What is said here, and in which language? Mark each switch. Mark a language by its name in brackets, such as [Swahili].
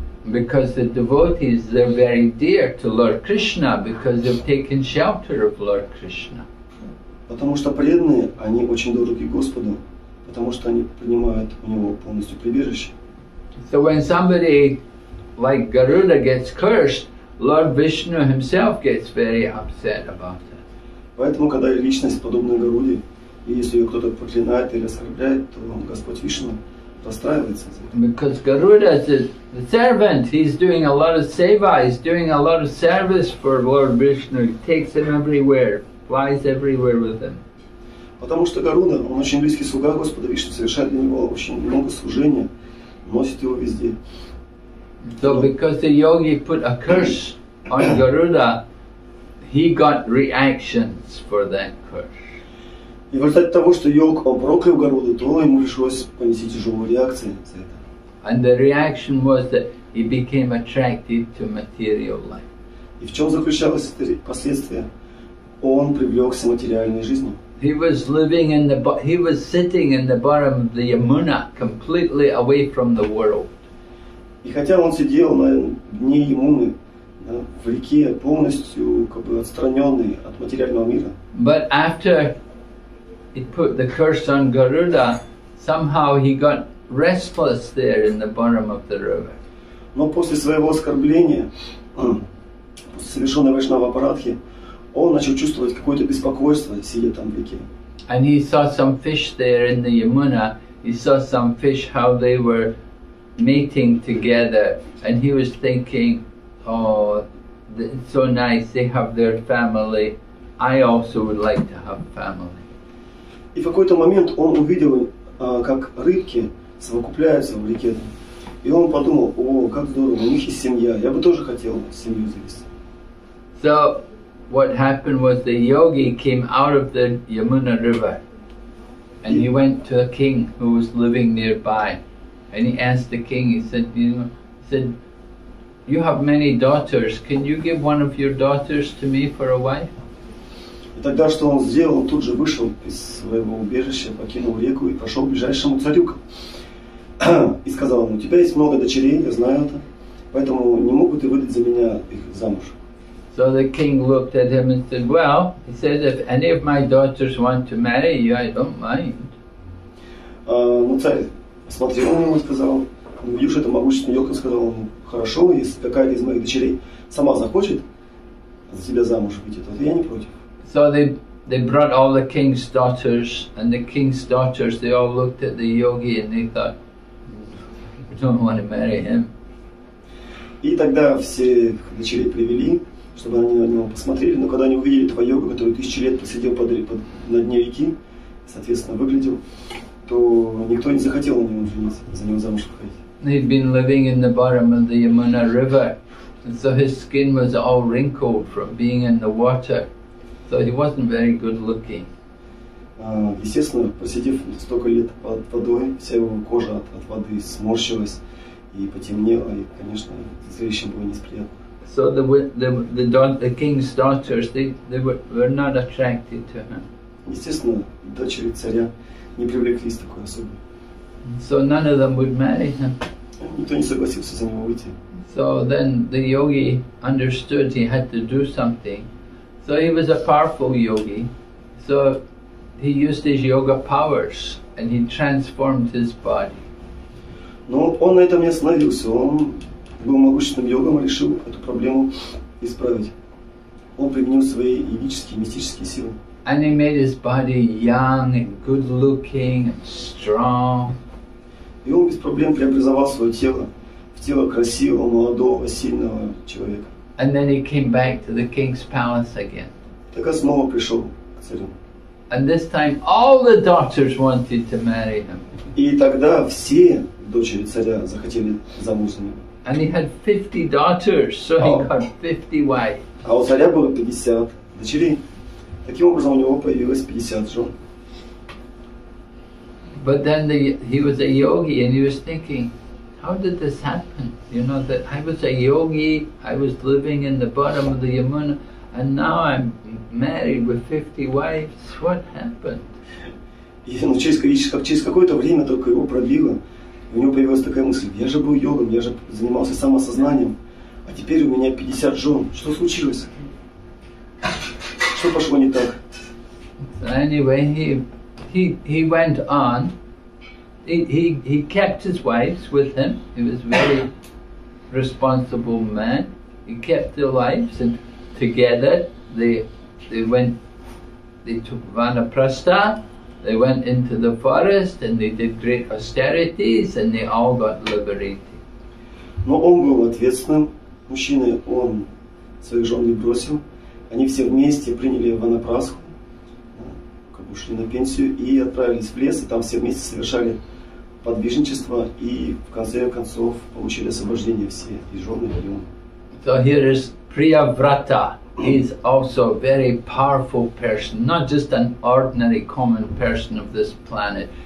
[English] Because the devotees, they're very dear to Lord Krishna, because they've taken shelter of Lord Krishna. [Russian] Потому что преданные, они очень дороги Господу, потому что они принимают у него полностью прибежище. [English] So when somebody like Garuda gets cursed, Lord Vishnu himself gets very upset about it. [Russian] Поэтому, когда личность подобна Гаруде, и если ее кто-то проклинает или оскорбляет, то Господь Вишну расстраивается. [English] Because Garuda is the servant, he's doing a lot of seva, he's doing a lot of service for Lord Vishnu, he takes him everywhere, flies everywhere with him. [Russian] Потому что Гаруда, он очень близкий слуга Господа Вишну, совершает для него очень много служения, носит его везде. [English] So because the yogi put a curse on Garuda, he got reactions for that curse. [Russian] И в результате того, что йог проклял Гаруду, то ему пришлось понести тяжелую реакцию за это. [English] And the reaction was that he became attracted to material life. [Russian] И в чем заключалось это последствие? Он привлекся материальной жизнью. [English] He was sitting in the bottom of the Yamuna, completely away from the world. [Russian] И хотя он сидел на дне Ямуны, да, в реке, полностью как бы отстраненный от материального мира. [English] But after he put the curse on Garuda, somehow he got restless there in the bottom of the river. [Russian] Но после своего оскорбления, после совершенной вайшнава апарадхи, он начал чувствовать какое-то беспокойство, сидя там в реке. [English] And he saw some fish there in the Yamuna. He saw some fish, how they were mating together. And he was thinking, oh, it's so nice, they have their family. I also would like to have family. [Russian] И в какой-то момент он увидел, как рыбки совокупляются в реке. И он подумал, о, как здорово, у них есть семья. Я бы тоже хотел семью завести. [English] So, what happened was the yogi came out of the Yamuna River and he went to a king who was living nearby and he asked the king, he said, you know, he said, you have many daughters, can you give one of your daughters to me for a wife? [Russian] И тогда что он сделал, он тут же вышел из своего убежища, покинул реку и пошел к ближайшему царю и сказал ему, у тебя есть много дочерей, я знаю это, поэтому не могу ты выдать за меня их замуж. [English] So the king looked at him and said, well, he said, if any of my daughters want to marry you, I don't mind. [Russian] Ну, царь смотрел на него и сказал, ну, видишь, это могущественный йог, он сказал, ну, хорошо, если какая-то из моих дочерей сама захочет за тебя замуж выйти, то я не против. [English] So they brought all the king's daughters, and the king's daughters, they all looked at the yogi and they thought, I don't want to marry him. [Russian] И тогда все дочерей привели, чтобы они на него посмотрели, но когда они увидели этого йога, который тысячи лет посидел на дне реки, соответственно, выглядел, то никто не захотел на него жениться, за него замуж выходить. [English] He'd been living in the bottom of the Yamuna River, and so his skin was all wrinkled from being in the water, so he wasn't very good looking. [Russian] Естественно, посидев столько лет под водой, вся его кожа от воды сморщилась и потемнела, и, конечно, зрелище было несприятно. [English] So the king's daughters they were not attracted to him. [Russian] Естественно, дочери царя не привлеклись такой особой. [English] So none of them would marry him. [Russian] Никто не согласился за него выйти. [English] So then the yogi understood he had to do something. So he was a powerful yogi. So he used his yoga powers and he transformed his body. [Russian] Но он на этом не остановился. Он был могущественным йогом и решил эту проблему исправить. Он применил свои йогические, мистические силы. [English] And he made his body young and good looking and strong. [Russian] И он без проблем преобразовал свое тело в тело красивого, молодого, сильного человека. [English] And then he came back to the king's palace again. [Russian] Так он снова пришел к царю. [English] And this time all the daughters wanted to marry him. [Russian] И тогда все дочери царя захотели замуж за него. [English] And he had 50 daughters, so he got 50 wives. [Russian] А у царя было 50 дочерей. Таким образом, у него появилось 50 жен. [English] But then he was a yogi, and he was thinking, how did this happen? You know, that I was a yogi, I was living in the bottom of the Yamuna, and now I'm married with 50 wives. What happened? [Russian] Через какое-то время только его пробило. У него появилась такая мысль, я же был йогом, я же занимался самосознанием, а теперь у меня 50 жен. Что случилось? Что пошло не так? [English] Anyway, he went on. He kept his wives with him. He was a very responsible man. He kept their wives and together they took vanaprastha. They went into the forest and they did great austerities and they all got liberated. [Russian] Но он был ответственным мужчиной, он своих жен не бросил. Они все вместе приняли ванапрасху, как бы ушли на пенсию и отправились в лес, и там все вместе совершали подвижничество и в конце концов получили освобождение все и жены, и он. [English] So here is Priyavrata. He's also a very powerful person, not just an ordinary common person of this planet.